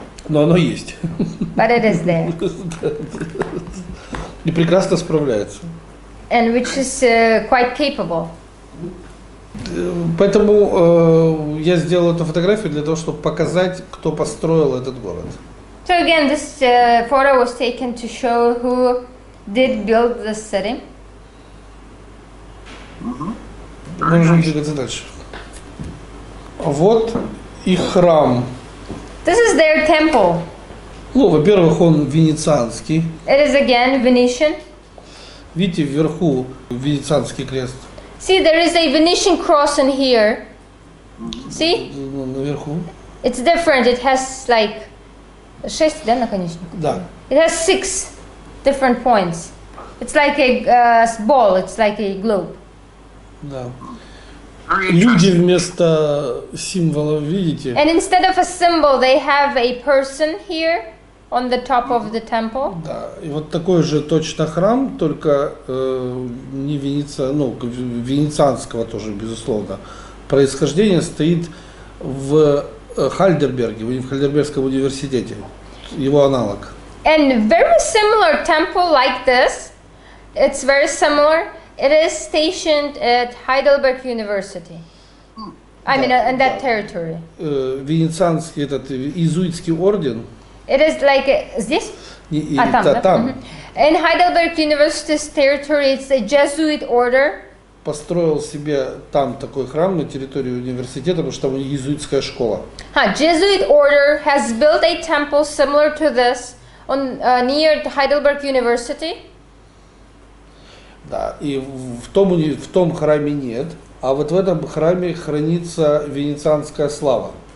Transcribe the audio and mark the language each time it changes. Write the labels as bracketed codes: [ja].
[ru] Но оно есть. [en] But it is there. [ru] И прекрасно справляется. [en] And which is quite capable. [ru] Поэтому я сделал эту фотографию для того, чтобы показать, кто построил этот город. [en] So again, this photo was taken to show who did build this city. [ru] Мы можем двигаться дальше. Вот и храм. [en] This is their temple. [ru] Ну, во-первых, он венецианский. [en] It is again Venetian. [ru] Видите, вверху венецианский крест. [en] See, there is a Venetian cross in here. See? [ru] Наверху. [en] It's different. It has like 6, [ru] да, наконечник? Да. [en] It has 6 different points. It's like a ball, it's like a globe. [ru] Да. Люди вместо символа, видите? [en] And instead of a symbol, they have a person here on the top of the temple. [ru] Да, и вот такой же точно храм, только не венецианского тоже, безусловно, происхождение стоит в Хайдельберге, в Хайдельбергском университете, его аналог. [en] And very similar temple like this, it's very similar. It is stationed at Heidelberg University. I mean, in that territory. [ru] Венецианский этот иезуитский орден. [en] It is like this. [ru] Там. [en] In Heidelberg University's territory, it's a Jesuit order. [ru] Построил себе там такой храм на территории университета, потому что там иезуитская школа. [en] Jesuit order has built a temple similar to this on near Heidelberg University. [ru] Да, и в том храме нет, а вот в этом храме хранится венецианская слава.